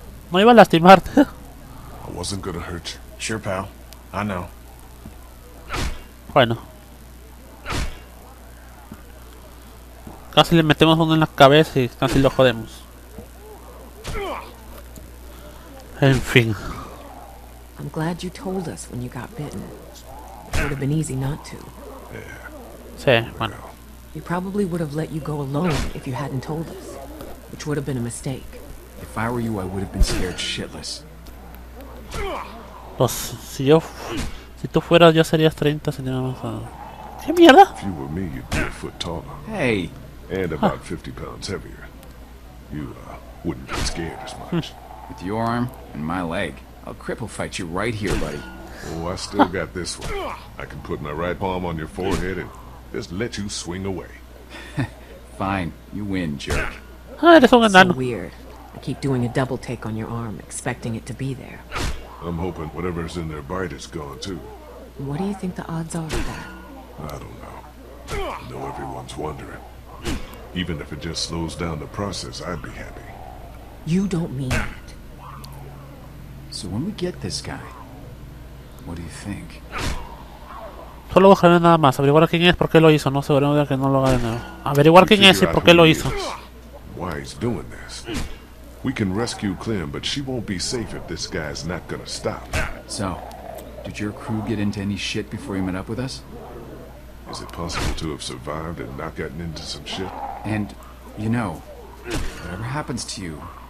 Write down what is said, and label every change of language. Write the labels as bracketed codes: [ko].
[es] No iba a lastimarte. [en] I wasn't gonna hurt you. Sure, pal. I know. [es] Bueno. Casi le metemos uno en la cabeza y casi lo jodemos. En fin. [en] I'm glad you told us when you got bitten. It would have been easy not to. [es] Yeah. Sí, bueno. [en] We probably would have let you go alone if you hadn't told us, which would have been a mistake. If I were you, I would have been scared shitless. [es] Pues, si tú fueras, yo serías 30 centímetros más. ¿Qué mierda? [en] If you were me, you'd be a foot taller. Hey. And about 50 pounds heavier. You wouldn't be scared as much. With your arm and my leg, I'll cripple fight you right here, buddy. Oh, I still got this one. I can put my right palm on your forehead and just let you swing away. Fine, you win, jerk. That's so weird. I keep doing a double take on your arm, expecting it to be there. I'm hoping whatever's in their bite is gone, too. What do you think the odds are of that? I don't know. I know everyone's wondering. Even if it just slows down the process, I'd be happy. You don't mean it. So when we get this guy, what do you think? [es] Solo buscaré nada más, averiguar quién es, por qué lo hizo, no seguro de que no lo haga de nuevo. Averiguar quién es y por qué lo hizo. [en] Why he's doing this? We can rescue Clem, but she won't be safe if this guy's not gonna stop. So, did your crew get into any shit before you met up with us? Is it possible to have survived and not gotten into some shit? And, you know, whatever happens to you...